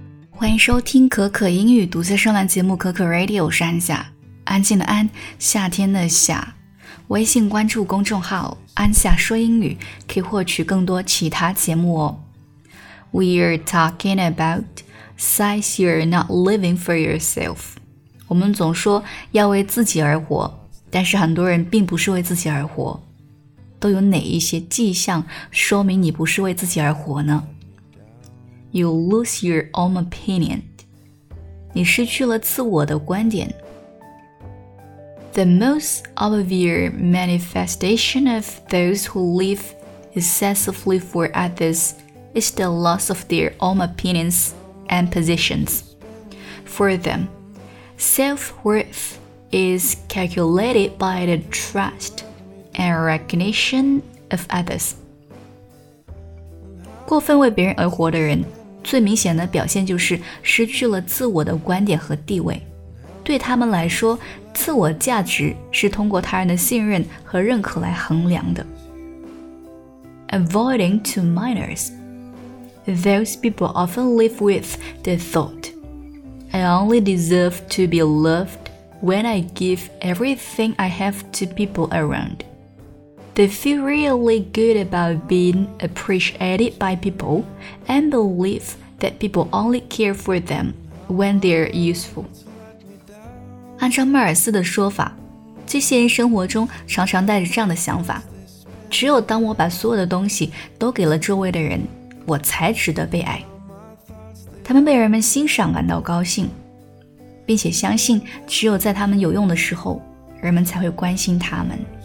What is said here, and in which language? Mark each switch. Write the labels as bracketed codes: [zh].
[zh] 欢迎收听可可英语独自上栏节目可可 Radio， 我是安夏，安静的安，夏天的夏。微信关注公众号安夏说英语，可以获取更多其他节目哦。 [en] We're talking about signs you're not living for yourself. [zh] 我们总说要为自己而活，但是很多人并不是为自己而活。都有哪一些迹象说明你不是为自己而活呢？ [en] You lose your own opinion. [zh] 你失去了自我的观点。 [en] The most obvious manifestation of those who live excessively for others is the loss of their own opinions and positions. For them, self-worth is calculated by the trust and recognition of others. [zh] 过分为别人而活的人最明显的表现就是失去了自我的观点和地位。对他们来说，自我价值是通过他人的信任和认可来衡量的。 [en] Avoiding to minors. Those people often live with the thought, I only deserve to be loved when I give everything I have to people around. They feel really good about being appreciated by people and believe that people only care for them when they're useful. [zh] 按照迈尔斯的说法，在现实生活中常常带着这样的想法，只有当我把所有的东西都给了周围的人，我才值得被爱。他们被人们欣赏感到高兴，并且相信只有在他们有用的时候，人们才会关心他们。